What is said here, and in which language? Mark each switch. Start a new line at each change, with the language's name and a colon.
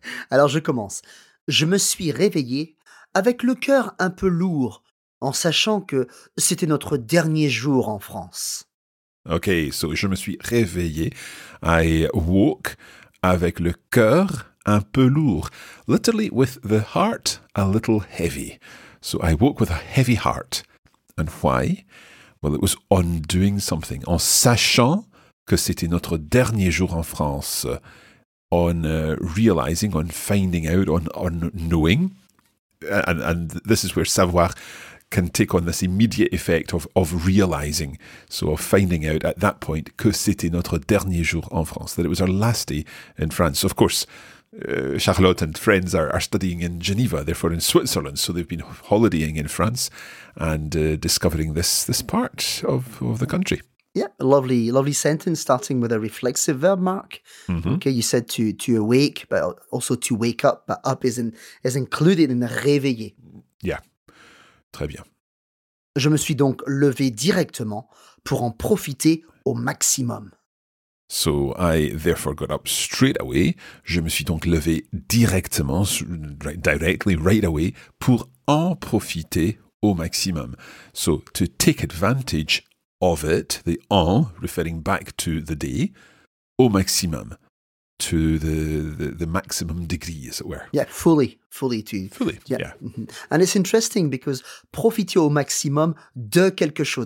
French: Alors je commence. Je me suis réveillé avec le cœur un peu lourd, en sachant que c'était notre dernier jour en France.
English: Okay, so
French: je me suis réveillé.
English: I woke
French: avec le cœur un peu lourd.
English: Literally, with the heart a little heavy. So I woke with a heavy heart. And why? Well, it was on doing something.
French: En sachant que c'était notre dernier jour en France.
English: On realizing, on finding out, on knowing. And this is where savoir can take on this immediate effect of realizing. So of finding out at that point
French: que c'était notre dernier jour en France,
English: that it was our last day in France. Of course, Charlotte and friends are studying in Geneva, therefore in Switzerland, so they've been holidaying in France and discovering this part of the country. Yeah, lovely, lovely sentence starting with a reflexive verb, Mark. Mm-hmm. Okay, you said to awake, but also to wake up, but up is included in réveiller. Yeah,
French: très bien. Je me suis donc levé directement pour en profiter au maximum.
English: So I therefore got up straight away.
French: Je me suis donc levé directement,
English: directly, right away,
French: pour en profiter au maximum.
English: So to take advantage of it, the en, referring back to the day,
French: au maximum,
English: to the maximum degree, as it were. Yeah, fully to. Fully, yeah. And it's interesting because
French: profiter au maximum de quelque chose.